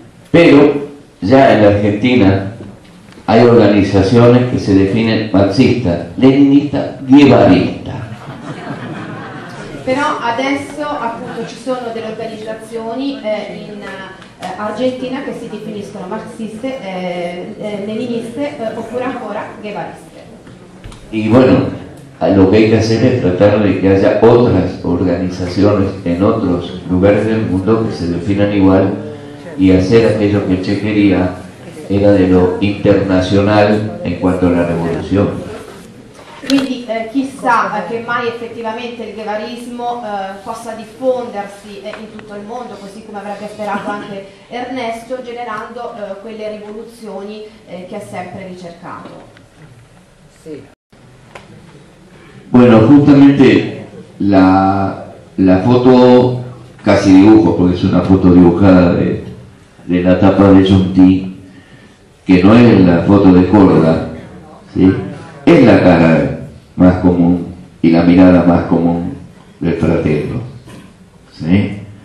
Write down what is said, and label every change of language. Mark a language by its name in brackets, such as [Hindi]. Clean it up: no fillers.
[Italian] Però già [Spanish] in Argentina hay organizaciones que se definen marxista, leninista, guevarista. [Italian] però adesso appunto ci sono delle organizzazioni in Argentina che si definiscono marxiste, leniniste oppure ancora guevariste. [Spanish] Y bueno, lo que hay que hacer es tratar de que haya otras organizaciones en otros lugares del mundo que se definan igual y hacer aquello que Che quería, era de lo internacional en cuanto a la revolución. [Italian] Quindi chissà che mai effettivamente il guevarismo possa diffondersi in tutto il mondo, così come avrebbe sperato anche Ernesto, generando quelle rivoluzioni che ha sempre ricercato. Sì. [Spanish] Bueno, justamente la foto casi dibujo, porque es una foto dibujada de la tapa de Junti, que no es la foto de Córdoba, ¿sí? Es la cara más común y la mirada más común del fraterno, ¿sí?